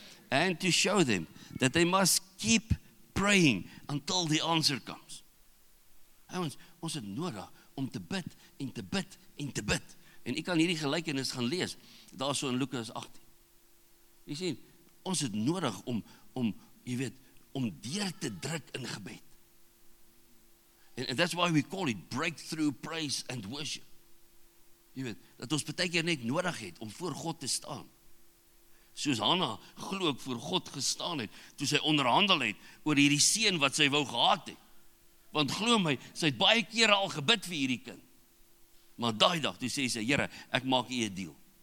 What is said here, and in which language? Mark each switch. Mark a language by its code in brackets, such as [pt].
[en] And to show them that they must keep praying until the answer comes. [af] Ons het nodig om te bid en te bid en te bid. En ek kan hierdie gelykenis gaan lees, daar so in Lukas 18. Jy sien, ons het nodig om deur te druk in gebed. [en] And that's why we call it breakthrough praise and worship. [af] Jy weet, dat ons baie keer net nodig het om voor God te staan. Soos Hanna glo ek voor God gestaan het, toe sy onderhandel het oor hierdie seun wat sy wou gehad het. Want glo my, sy het baie kere al gebid vir hierdie kind. Maar daai dag, toe sê sy, Here, ek maak u 'n deal.